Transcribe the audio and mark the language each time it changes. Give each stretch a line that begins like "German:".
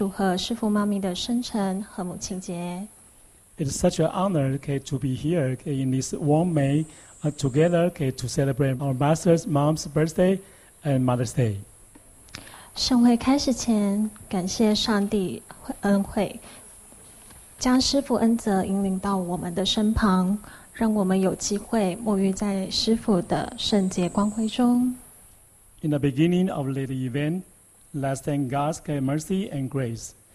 Chinese: 很荣幸在这温馨的五月佳节里与各位同修一起来祝贺师父妈咪的生辰和母亲节。
English: It's such an honor to be here in this warm May together to celebrate our Master's mom's birthday and Mother's Day.
Chinese: 盛会开始前，感谢上帝恩惠，将师父恩泽引领到我们的身旁。让我们有机会沐浴在师父的圣洁光辉中。
English: In the beginning of late event, let's thank God's mercy and grace.